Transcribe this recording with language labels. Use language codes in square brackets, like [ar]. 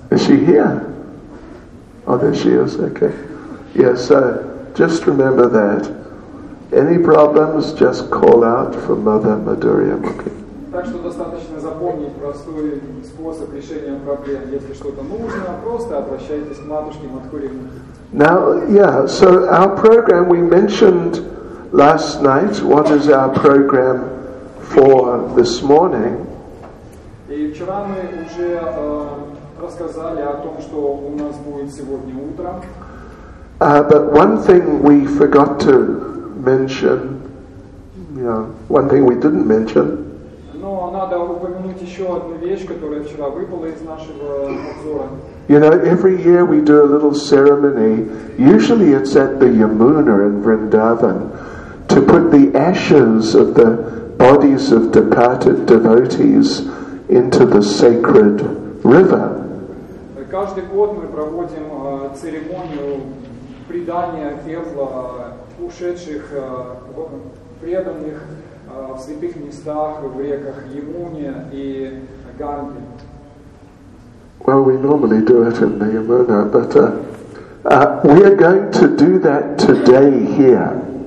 [en] Is she here? Oh, there she is. Okay. Yeah. So just remember that. Any problems, just call out for Mother Madhurya Mukhi. [ru] Так что достаточно запомнить простой способ решения проблем. Если что-то нужно, просто обращайтесь к матушке Мадхури Мукхи. [en] Now, yeah, so our program, we mentioned last night, what is our program for this morning? [ru] И вчера мы уже рассказали о том, что у нас будет сегодня утром. [en] But one thing we forgot to mention, one thing we didn't mention. [ru] Но надо упомянуть еще одну вещь, которая вчера выпала из нашего обзора. [en] You know, every year we do a little ceremony, usually it's at the Yamuna in Vrindavan, to put the ashes of the bodies of departed devotees into the sacred river. [ru] Каждый год мы проводим церемонию предания пепла ушедших преданных в святых местах, в реках Ямуне и Ганге. [en] Well, we normally do it in the Yamuna, but we are going to do that today here.